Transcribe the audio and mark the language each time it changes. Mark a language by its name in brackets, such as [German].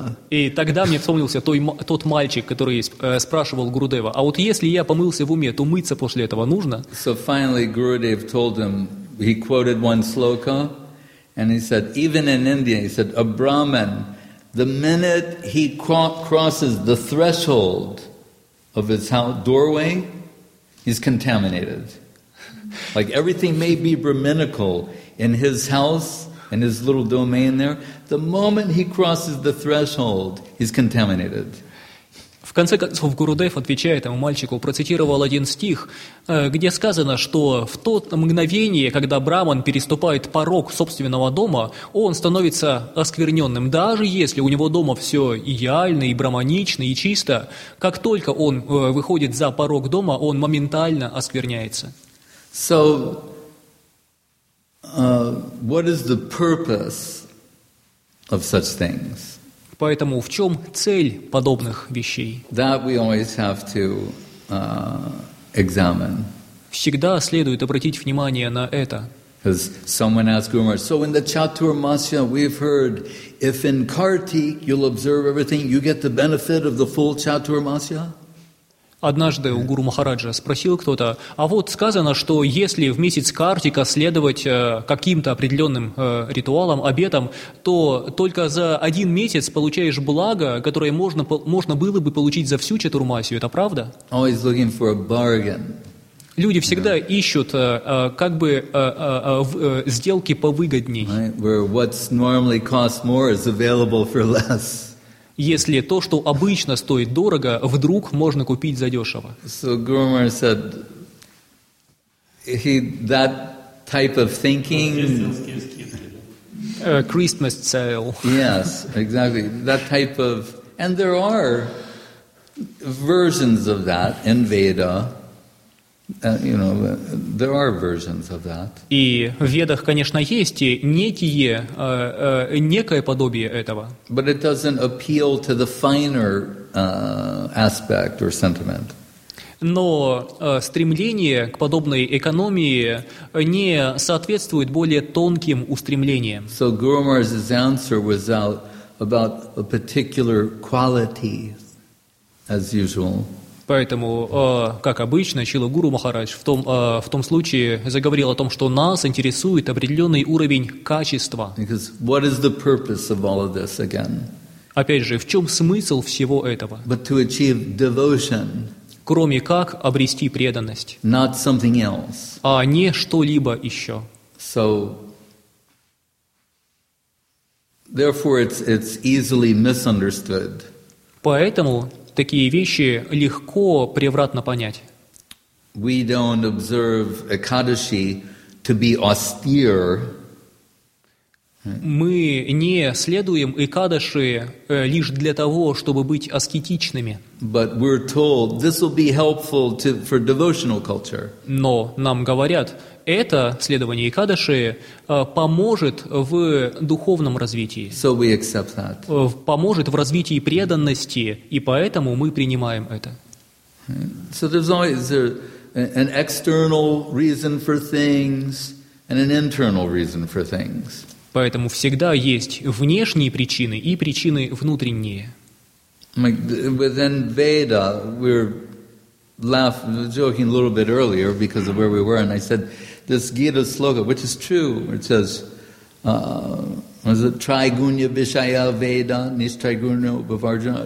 [Russian] И тогда мне вспомнился тот мальчик, который спрашивал Гурудева, а вот если я помылся в уме, то мыться после этого нужно? [English] So finally, Gurudev told him, he quoted one sloka, and he said, even in India, he said, a Brahman, the minute he crosses the threshold of his doorway, he's contaminated. Like everything may be brahminical in his house, in his little domain there, the moment he crosses the threshold, he's contaminated. [Russian] В конце концов, Гурудев отвечает ему, мальчику, процитировал один стих, где сказано, что в то мгновение, когда браман переступает порог собственного дома, он становится оскверненным. Даже если у него дома все идеально и браманично, и чисто, как только он выходит за порог дома, он моментально оскверняется. [English] So, what is the purpose of such things? [Russian] Поэтому в чем цель подобных вещей? [English] That we always have to, examine. [Russian] Всегда следует обратить внимание на это. [English] Because someone asked Guru Maharaj, so in the Chaturmasya we've heard, if in Kartik you'll observe everything, you get the benefit of the full Chaturmasya? [Russian] Однажды у Гуру Махараджа спросил кто-то, а вот сказано, что если в месяц Картика следовать каким-то определенным ритуалам, обетам, то только за один месяц получаешь благо, которое можно было бы получить за всю Чатурмасию. Это правда? [English] Always looking for a bargain. [Russian] Люди всегда ищут как бы сделки повыгодней. [English] Where what's normally cost more is available for less. [Russian] Если то, что обычно стоит дорого, вдруг можно купить задешево. [English] So Guru Maharaj said, he, that type of thinking... Christmas sale. Yes, exactly. That type of... And there are versions of that in Veda. You know, there are versions of that. [Russian] И в Ведах, конечно, есть некое подобие этого. [English] But it doesn't appeal to the finer aspect or sentiment. [Russian] Но стремление к подобной экономии не соответствует более тонким устремлениям. [English] So Guru Maharaj's answer was about a particular quality, as usual. [Russian] Поэтому, как обычно, Шрила Гуру Махарадж в том случае заговорил о том, что нас интересует определенный уровень качества. [English] Because what is the purpose of all of this again? [Russian] Опять же, в чем смысл всего этого? [English] But to achieve devotion. [Russian] Кроме как обрести преданность. [English] Not something else. [Russian] А не что-либо еще. [English] So, therefore, it's easily misunderstood. [Russian] Поэтому такие вещи легко превратно понять. [English] We don't observe Ekadashi to be austere. [Russian] Мы не следуем Экадаши лишь для того, чтобы быть аскетичными. [English] But we're told this will be helpful to, for devotional culture. [Russian] Но нам говорят, это следование Экадаши поможет в духовном развитии. [English] So we accept that. [Russian] Поможет в развитии преданности, и поэтому мы принимаем это. [English] So there's always an external reason for things and an internal reason for things. [Russian] Поэтому всегда есть внешние причины и причины внутренние. [English] Within Veda, we're joking a little bit earlier because of where we were, and I said this Gita sloka, which is true, it says, was it [Sanskrit] Trigunya Vishaya Veda, Nishtriguna Bhavarjuna?